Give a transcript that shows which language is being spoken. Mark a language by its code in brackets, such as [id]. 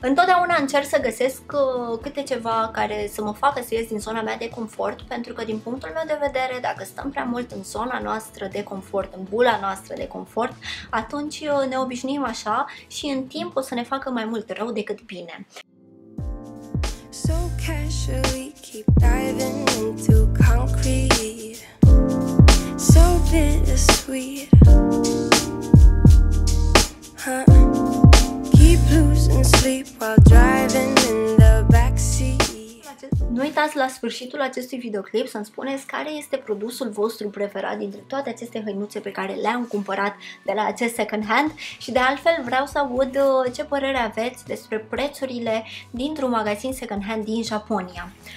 [ro] Întotdeauna încerc să găsesc câte ceva care să mă facă să ies din zona mea de confort, pentru că din punctul meu de vedere, dacă stăm prea mult în zona noastră de confort, în bula noastră de confort, atunci ne obișnuim așa și în timp o să ne facă mai mult rău decât bine. [en] So casually keep diving into concrete. So bittersweet. Huh. Keep losing sleep while driving in the backseat. [ro] Nu uitați la sfârșitul acestui videoclip să-mi spuneți care este produsul vostru preferat dintre toate aceste hăinuțe pe care le-am cumpărat de la acest second hand și de altfel vreau să aud ce părere aveți despre prețurile dintr-un magazin second hand din Japonia.